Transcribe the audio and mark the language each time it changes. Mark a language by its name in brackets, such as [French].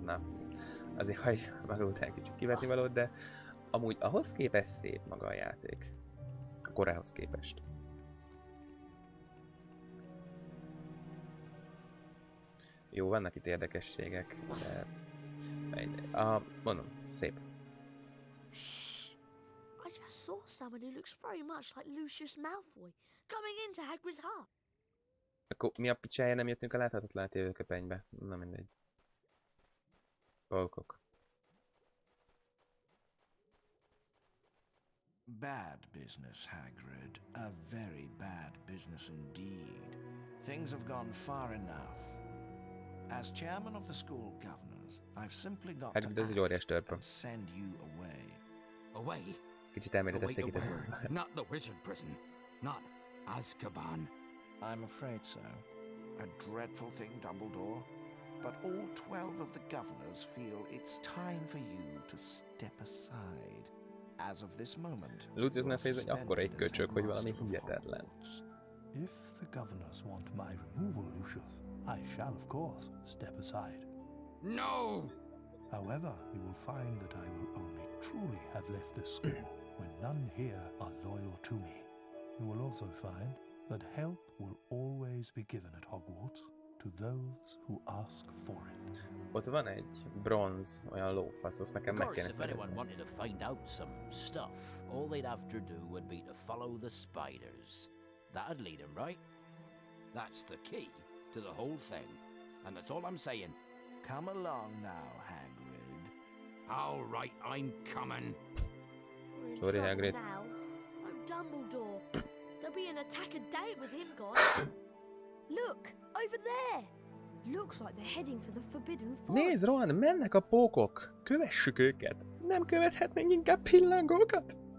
[Hungarian] Na, azért hagy magad egy kicsit kivetni valót, de... Amúgy ahhoz képest szép maga a játék. A korához képest. Jó, vannak itt érdekességek, de... mondom, szép. [English] I just saw someone who looks very much like Lucius Malfoy coming into Hagrid's hut. [Hungarian] Akkor mi a picsáján nem jöttünk a láthatatlan tévőköpenybe? Na mindegy. Pókok. [English] Bad business, Hagrid. A very bad business indeed. Things have gone far enough. As chairman of the school governors, I've simply got Hagrid to act [Hungarian] óriás törpe. [English] And send you away. Away? [Hungarian] Kicsit elmérítették itt. [English] Not the wizard prison, not Azkaban. I'm afraid so. A dreadful thing, Dumbledore. But all 12 of the governors feel it's time for you to step aside. As of this moment, [Hungarian] Lucius Malfoy egy akkora egy köcsök, hogy valami hihetetlen. [English] If the governors want my removal, Lucius, I shall of course step aside. No! However, you will find that I will only truly have left this school when none here are loyal to me. You will also find that help will always be given at Hogwarts to those who ask for it. [Hungarian] Ott van egy bronz, olyan lófasz, azt nekem meg kéne szerezni. [English] If anyone wanted to find out some stuff, all they'd have to do would be to follow the spiders. That'd lead them, right? That's the key to the whole thing. And that's all I'm saying. Come along now, Hagrid. All right, I'm coming. Sorry, Hagrid. Oh, Dumbledore. There'll be an attack a day with him gone. Look, over there. Looks like they're heading for the Forbidden Forest. [Hungarian] Nézd, Rohan, mennek a pókok. Kövessük őket. Nem követhetnénk inkább pillangókat?